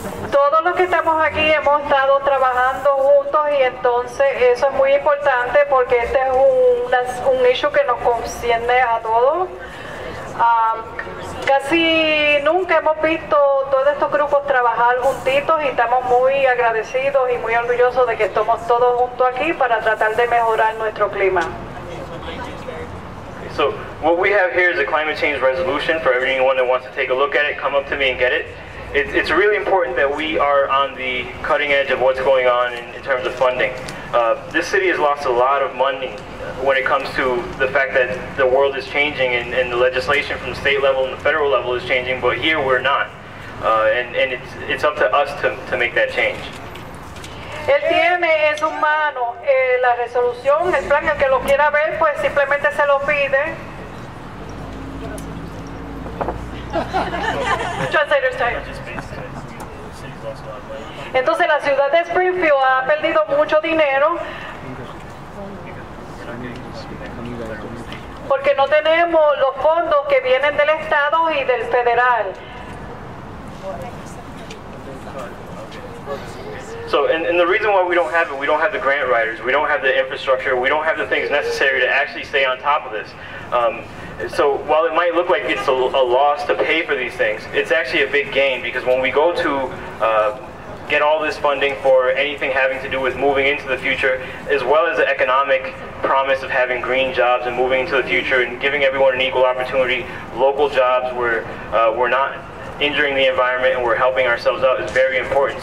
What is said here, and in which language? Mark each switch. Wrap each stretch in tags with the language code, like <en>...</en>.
<es>Todo lo que estamos aquí hemos estado trabajando juntos y entonces eso es muy importante porque este es un issue que nos concierne a todos. Casi nunca hemos visto todos estos grupos trabajar juntitos y estamos muy agradecidos y muy orgullosos de que estemos todos juntos aquí para tratar de mejorar nuestro clima.</es> <en>So what we have here is a climate change resolution for anyone that wants to take a look at it, come up to me and get it. It's really important that we are on the cutting edge of what's going on in terms of funding. This city has lost a lot of money when it comes to the fact that the world is changing and the legislation from the state level and the federal level is changing, but here we're not. And it's up to us to make that change.</en> <es>Él tiene en su mano la resolución, el plan, el que lo quiera ver, pues simplemente se lo pide.</es> <en>Translator's time.</en> <es>Entonces la ciudad de Springfield ha perdido mucho dinero porque no tenemos los fondos que vienen del estado y del federal.</es> <en>So, and the reason why we don't have it, we don't have the grant writers, we don't have the infrastructure, we don't have the things necessary to actually stay on top of this. So while it might look like it's a loss to pay for these things, it's actually a big gain because when we go to get all this funding for anything having to do with moving into the future, as well as the economic promise of having green jobs and moving into the future and giving everyone an equal opportunity, local jobs where we're not injuring the environment and we're helping ourselves out is very important.</en>